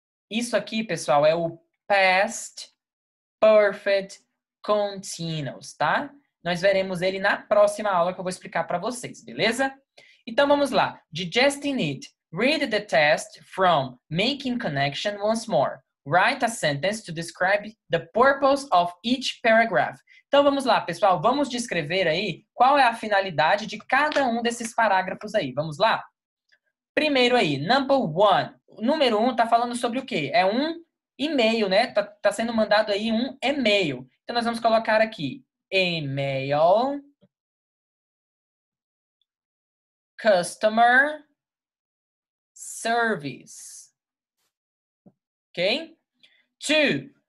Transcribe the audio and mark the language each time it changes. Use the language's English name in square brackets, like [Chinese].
[Portuguese] Isso aqui, pessoal, é o past perfect continuous, tá? Nós veremos ele na próxima aula que eu vou explicar para vocês, beleza? Então vamos lá. [English] Digesting it. Read the test from making connection once more. Write a sentence to describe the purpose of each paragraph. [Portuguese] Então vamos lá, pessoal. Vamos descrever aí qual é a finalidade de cada um desses parágrafos aí. Vamos lá? Primeiro aí, [English] number one. [Portuguese] Número um tá falando sobre o quê? É um e-mail, né? Tá sendo mandado aí um e-mail. Então nós vamos colocar aqui. [English] Email, customer, service. Ok? Two.